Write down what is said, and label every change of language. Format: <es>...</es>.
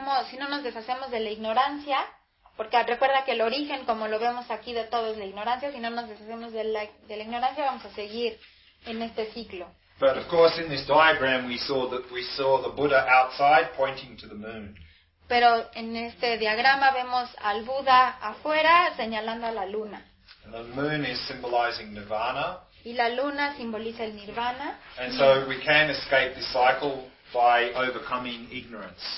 <es>Si no nos deshacemos de la ignorancia, porque recuerda que el origen, como lo vemos aquí, de todo es la ignorancia. Si no nos deshacemos de la ignorancia, vamos a seguir en este ciclo.</es> <en>But of course, in this diagram, we saw the Buddha outside pointing to the moon.</en> <es>Pero en este diagrama vemos al Buda afuera señalando a la luna.</es> <en>And the moon is symbolizing nirvana.</en> <es>Y la luna simboliza el nirvana.</es> <en>And so we can escape this cycle by overcoming ignorance.</en>